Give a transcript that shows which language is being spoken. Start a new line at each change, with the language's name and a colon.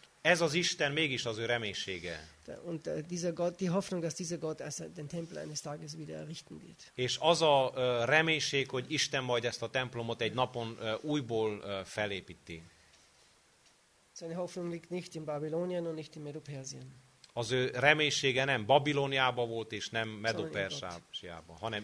Hungarian: Ez az Isten mégis az ő reménysége.
German: Und dieser Gott, die Hoffnung, dass dieser Gott den Tempel eines Tages wieder errichten wird.
Hungarian: És az a reménység, hogy Isten majd ezt a templomot egy napon újból felépíti.
German: Seine Hoffnung liegt nicht in Babylonien und nicht in Medo-Persien.
Hungarian: Az ő reménysége nem Babiloniába volt, és nem Medo-Persiába, hanem